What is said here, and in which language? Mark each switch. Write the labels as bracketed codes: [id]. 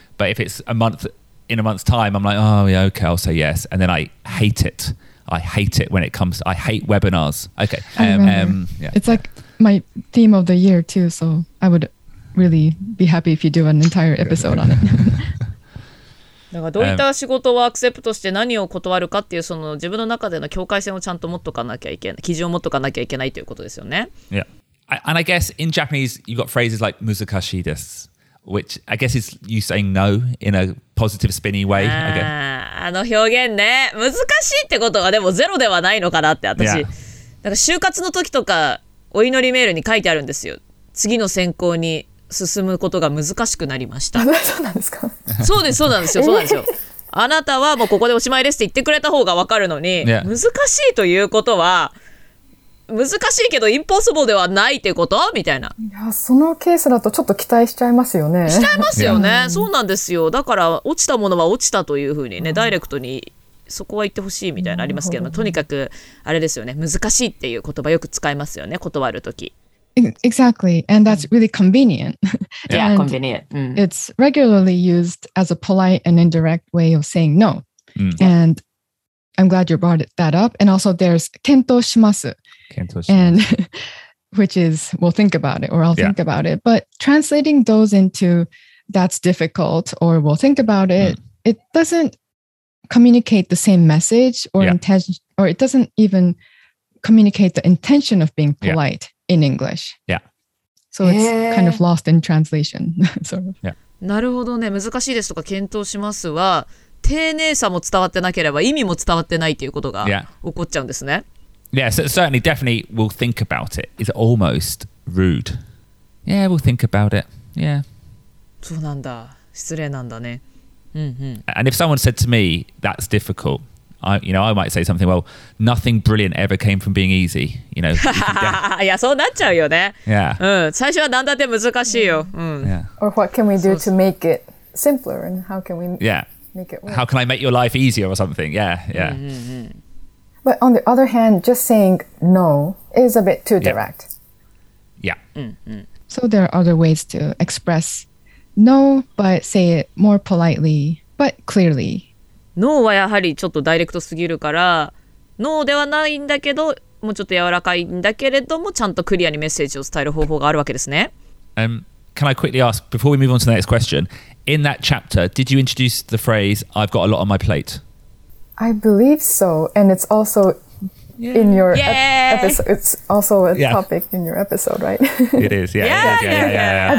[en] But if it's in a month's time, I'm like, oh, yeah, okay, I'll say yes. And then I hate it. I hate webinars. Okay. It's like my theme of the year too. So I would really be happy if you do an entire episode on it. [ja] だからどういった仕事をアクセプトして何を断るかっていうその自分の中での境界線をちゃんと持っとかなきゃいけない、基準を持っとかなきゃいけないということですよね。 [en] Yeah. And I guess in Japanese, you've got phrases like 難しいです。 Which I guess is you saying no in a positive spinny way. [ja] あの表現ね、難しいってことがでもゼロではないのかなって私。なんか就活の時とかお祈りメールに書いてあるんですよ。次の選考に進むことが難しくなりました。そうなんですか。そうです、そうなんですよ、そうなんですよ。あなたはもうここでおしまいですって言ってくれた方が分かるのに、難しいということは難しいけどインポッシブルではないってことみたいな。いや、そのケースだとちょっと期待しちゃいますよね。しちゃいますよね。そうなんですよ。だから落ちたものは落ちたというふうにね、ダイレクトにそこは言ってほしいみたいなありますけど、とにかくあれですよね、難しいっていう言葉よく使いますよね、断るとき。 [en] Exactly, and that's really convenient. Yeah, and convenient. It's regularly used as a polite and indirect way of saying no. And I'm glad you brought that up. And also there's 検討します。 And which is, we'll think about it, or I'll think about it. But translating those into that's difficult, or we'll think about it, it doesn't communicate the same message or intention, or it doesn't even communicate the intention of being polite in English. Yeah. So it's kind of lost in translation. [ja] なるほどね。難しいですとか検討しますは、丁寧さも伝わってなければ意味も伝わってないということが起こっちゃうんですね。 [en] Yeah, so certainly, definitely, we'll think about it. It's almost rude. Yeah, we'll think about it. Yeah. [ja] そうなんだ。失礼なんだね。 [en] And if someone said to me, that's difficult, I might say something, well, nothing brilliant ever came from being easy. You know, [ja] いや、そうなっちゃうよね。 [en] Yeah. [ja] うん、最初は何だって難しいよ。うん。 [en] Yeah. Or what can we do to make it simpler? And how can we make it work? How can I make your life easier or something? Yeah, yeah. But on the other hand, just saying no is a bit too direct. Yeah. So there are other ways to express no, but say it more politely, but clearly. [ja] No はやはりちょっとダイレクトすぎるから、no ではないんだけど、もうちょっと柔らかいんだけれども、ちゃんとクリアにメッセージを伝える方法があるわけですね。 [en] Can I quickly ask, before we move on to the next question, in that chapter, did you introduce the phrase, I've got a lot on my plate? I believe so, and it's also in your episode. It's also a topic in your episode, right? It is, yeah.